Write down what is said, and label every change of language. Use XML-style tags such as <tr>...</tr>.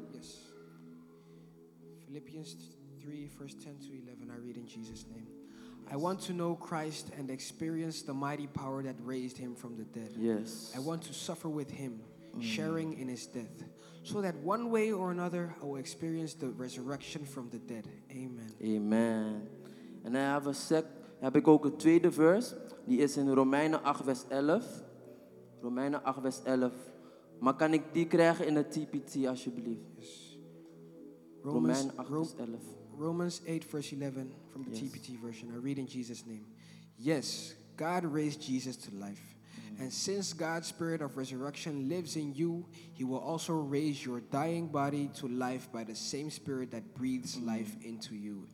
<en>Yes. Philippians 3, verse 10 to 11. I read in Jesus' name. Yes. I want to know Christ and experience the mighty power that raised him from the dead. Yes. I want to suffer with him, sharing in his death, so that one way or another I will experience the resurrection from the dead. Amen. Amen. And I have a</en> <nl>heb ik ook een tweede verse. Die is in Romeinen 8, vers 11. Romeinen 8, vers 11. Maar kan ik die krijgen in de TPT, alsjeblieft?</nl> <en>Yes.</en> <nl>Romeinen 8, vers 11.</nl> <en>Romans 8, verse 11, from the TPT version. I read in Jesus' name. Yes, God raised Jesus to life. And since God's spirit of resurrection lives in you, he will also raise your dying body to life by the same spirit that breathes life into you.</en>